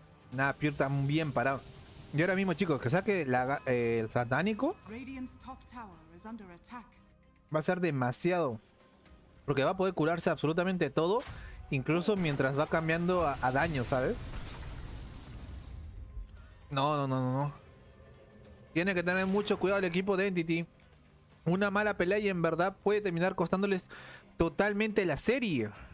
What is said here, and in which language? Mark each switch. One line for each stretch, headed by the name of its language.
Spanish: Nada, Pure está bien parado. Y ahora mismo, chicos, que saque el satánico.
English: Radiant's top tower is under attack.
Spanish: Va a ser demasiado. Porque va a poder curarse absolutamente todo. Incluso mientras va cambiando a daño, ¿sabes? No. Tiene que tener mucho cuidado el equipo de Entity. Una mala pelea y en verdad puede terminar costándoles totalmente la serie.